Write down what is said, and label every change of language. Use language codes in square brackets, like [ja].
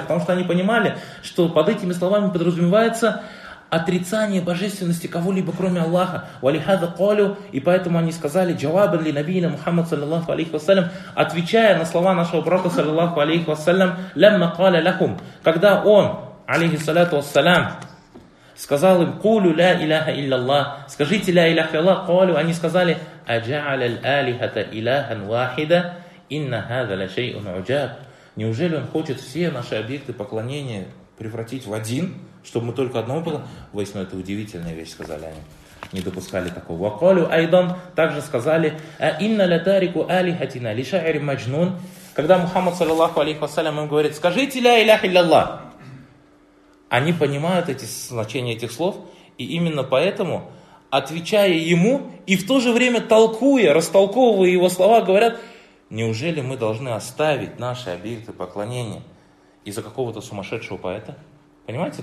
[ru] Потому что они понимали, что под этими словами подразумевается отрицание божественности кого-либо, кроме Аллаха. [ar] وَلِهَذَا قَالُوا. [ru] И поэтому они сказали, [ar] جَوَابًا لِنَبِيِّنَا مُحَمَّد صَلَّى اللَّهُ عَلَيْهِ وَسَلَّمَ, [ru] отвечая на слова нашего пророка, саллаллаху алейхи вассалям, [ar] لَمَّا قَالَ لَهُمْ. [ru] Когда он, алейхи саляту вассалям, сказал им, [ar] قُولُوا لَا إِلَهَ إِلَّا اللَّهِ, [ru] скажите [ar] لَا إِلَهَ إِلَّا اللَّهِ, قَالُوا, [ru] они сказали, [ar] أَجَعَلَ الْآلِهَةَ إِلَهًا وَاحِدًا إِنَّ هَذَا لَشَيْءٌ عُجَابٌ. [ru] Неужели он хочет все наши объекты поклонения превратить в один, чтобы мы только одного поклонялись? Воистину, это удивительная вещь, сказали они. Не допускали такого. [ar] وَقَالُوا أَيْضًا, [ru] также сказали, [ar] أَإِنَّ لَتَارِكُ آلِهَتِنَا لِشَعِرٍ مَجْنُونٍ. [ru] Когда Мухаммад, саллаллаху алейхи вассалям, им говорит, скажите, [ar] ля иляха илляллах. [ru] Они понимают эти значения этих слов, и именно поэтому, отвечая ему, и в то же время толкуя, растолковывая его слова, говорят, неужели мы должны оставить наши объекты поклонения из-за какого-то сумасшедшего поэта? Понимаете?